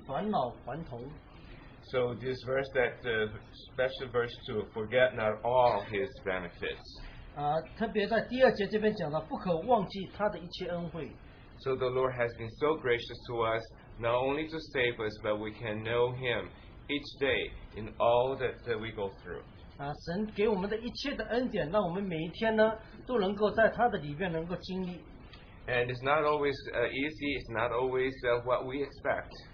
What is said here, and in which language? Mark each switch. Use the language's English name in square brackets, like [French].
[Chinese] 他赦免你的一切罪孽，医治你的一切疾病。他救赎你的命，脱离死亡，以仁爱和慈悲为你的冠冕。他用美物使你所愿的得以知足，以致你如因返老还童。So [English] this verse that special verse to forget not all His benefits. [Chinese] 特别在第二节这边讲了，不可忘记他的一切恩惠。So [English] the Lord has been so gracious to us, not only to save us, but we can know Him each day in all that we go through. [Chinese] 神给我们的一切的恩典, 让我们每一天呢, [English] and it's not always easy, it's not always what we expect.